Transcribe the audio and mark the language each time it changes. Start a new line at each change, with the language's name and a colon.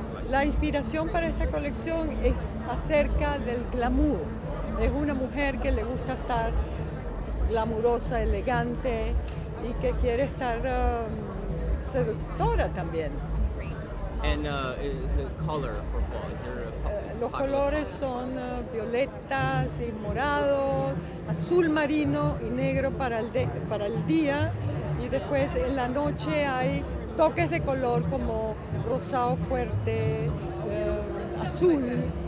Spanish: La inspiración para esta colección es acerca del glamour. Es una mujer que le gusta estar glamurosa, elegante, y que quiere estar seductora también.
English: And the color for fall, is there a
Spanish: los colores color? Son violetas y morados, azul marino y negro para el día, y después en la noche hay toques de color como rosado fuerte, azul.